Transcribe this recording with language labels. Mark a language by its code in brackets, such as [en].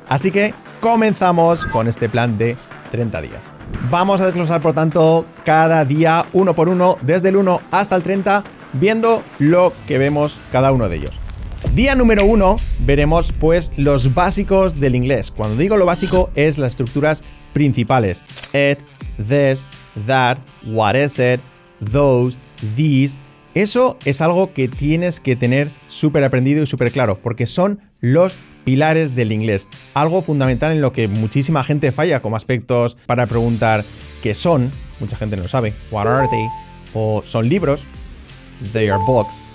[es] Así que comenzamos con este plan de 30 días. Vamos a desglosar, por tanto, cada día uno por uno, desde el 1 hasta el 30, viendo lo que vemos cada uno de ellos. Día número 1, veremos pues los básicos del inglés. Cuando digo lo básico, es las estructuras principales. [en] It, this, that, what is it, those, these. [es] Eso es algo que tienes que tener súper aprendido y súper claro, porque son los pilares del inglés. Algo fundamental en lo que muchísima gente falla, como aspectos para preguntar qué son. Mucha gente no lo sabe. [en] What are they? [es] O son libros. [en] They are books.